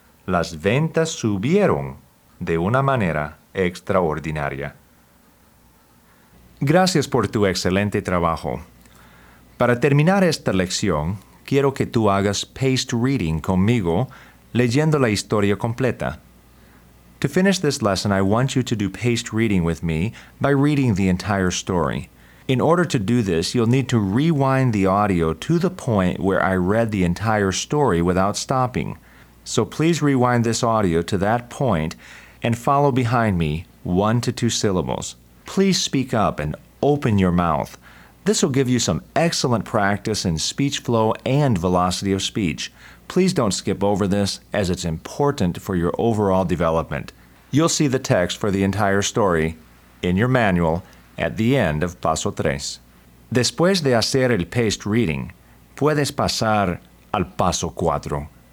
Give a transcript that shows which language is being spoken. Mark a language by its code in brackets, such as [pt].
[es] Las ventas subieron de una manera extraordinaria. Gracias por tu excelente trabajo. Para terminar esta lección, quiero que tú hagas paced reading conmigo, leyendo la historia completa. [en] To finish this lesson, I want you to do paced reading with me by reading the entire story. In order to do this, you'll need to rewind the audio to the point where I read the entire story without stopping. So please rewind this audio to that point and follow behind me 1 to 2 syllables. Please speak up and open your mouth. This will give you some excellent practice in speech flow and velocity of speech. Please don't skip over this, as it's important for your overall development. You'll see the text for the entire story in your manual at the end of Paso 3. [es] Después de hacer el paced reading, puedes pasar al paso 4.